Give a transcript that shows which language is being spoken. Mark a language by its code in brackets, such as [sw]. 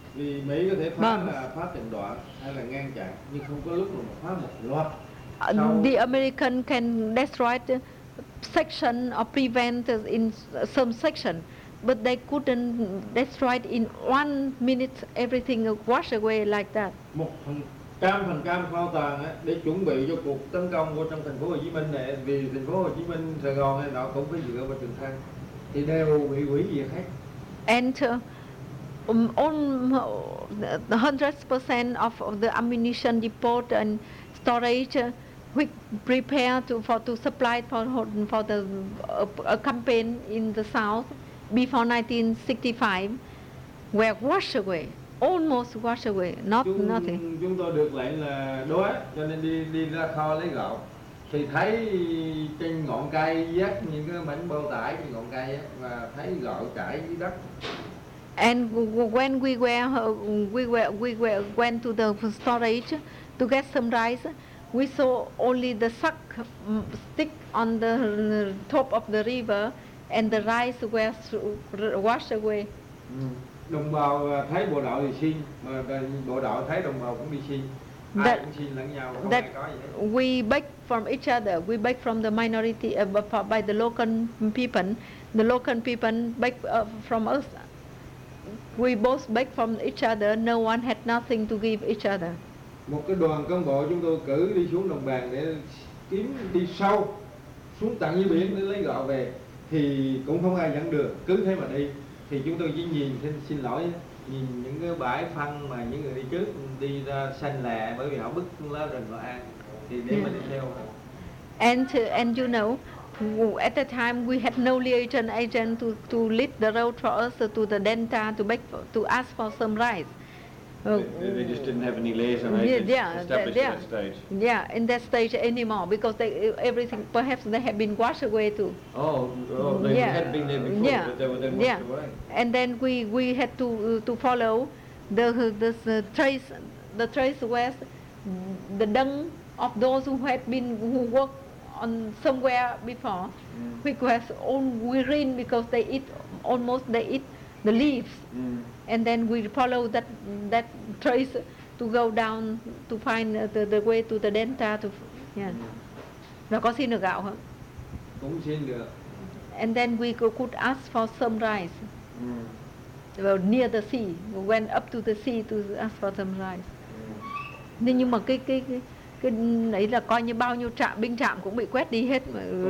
[vi] Vì Mỹ có thể phá từng đoạn hay là ngang chặn, nhưng không có lúc mà phá một loạt. [en] The American can destroy the section or prevent in some section, but they couldn't destroy it in 1 minute. Everything washed away like that. [vi] 100% kho tàng ấy, để chuẩn bị cho cuộc tấn công của trong thành phố Hồ Chí Minh này, vì thành phố Hồ Chí Minh, Sài Gòn này nó cũng có dựa vào Trường Sơn, thì đều bị hủy diệt hết. [en] Enter. All the 100% of the ammunition depot and storage which prepare to supply for the a campaign in the south before 1965 were washed away, almost washed away, nothing. [vi] Chúng tôi được lệnh là đói, cho nên đi ra kho lấy gạo. Thì thấy trên ngọn cây dắt những cái mảnh bao tải trên ngọn cây và thấy gạo trải dưới đất. [en] And when we went to the storage to get some rice, we saw only the suck stick on the top of the river, and the rice were washed away. [vi] Đồng bào thấy bộ đội thì xin, mà bộ đội thấy đồng bào cũng đi xin. [en] That, that we beg from each other, we beg from the minority, by the local people. The local people beg from us. We both beg from each other, no one had nothing to give each other. [vi] Một cái đoàn cán bộ chúng tôi cử đi xuống đồng bằng để kiếm đi sâu, xuống tận dưới biển để lấy gạo về, thì cũng không ai dẫn được, cứ thế mà đi. Thì chúng tôi chỉ nhìn, xin lỗi, nhìn những cái bãi phân mà những người đi trước đi ra xanh lè bởi vì họ bức lá rừng họ ăn thì để mà đi theo. [en] And you know, at the time we had no liaison agent to lead the road for us to the delta to ask for some rice. They just didn't have any liaison agents established at that stage. Yeah, in that stage anymore because perhaps they had been washed away too. Oh, they had been there before, but they were then washed away. And then we had to follow the trace west, the dung of those who had been who worked on somewhere before, because all green because they eat the leaves. Mm. And then we follow that trace to go down to find the way to the delta to [vi] Và có xin được gạo không? Cũng xin được. [en] And then we could ask for some rice. Mm. Well, near the sea, we went up to the sea to ask for some rice. Mm. [vi] Nhưng mà cái ấy là coi như bao nhiêu trạm binh trạm cũng bị quét đi hết mà.